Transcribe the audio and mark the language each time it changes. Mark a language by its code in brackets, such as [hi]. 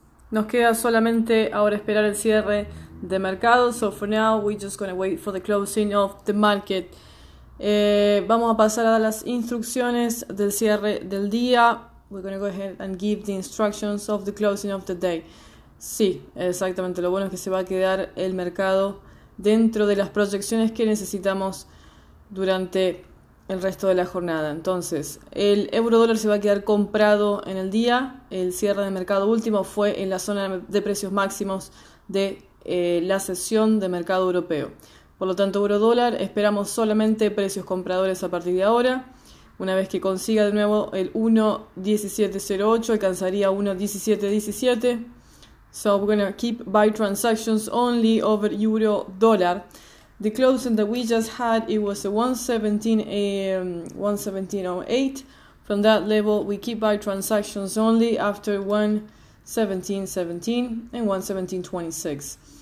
[es] Nos queda solamente ahora esperar el cierre de mercado. [en] So for now, we're just gonna wait for the closing of the market. [es] Vamos a pasar a las instrucciones del cierre del día. [en] We're gonna go ahead and give the instructions of the closing of the day. [es] Sí, exactamente. Lo bueno es que se va a quedar el mercado dentro de las proyecciones que necesitamos durante el resto de la jornada. Entonces, el euro dólar se va a quedar comprado en el día. El cierre de mercado último fue en la zona de precios máximos de la sesión de mercado europeo. Por lo tanto, euro dólar, esperamos solamente precios compradores a partir de ahora. Una vez que consiga de nuevo el 1.1708, alcanzaría 1.1717. [en] So we're gonna keep buy transactions only over euro dólar. The closing that we just had, it was a 1.1708. From that level, we keep buy transactions only after 1.1717 and 1.1726.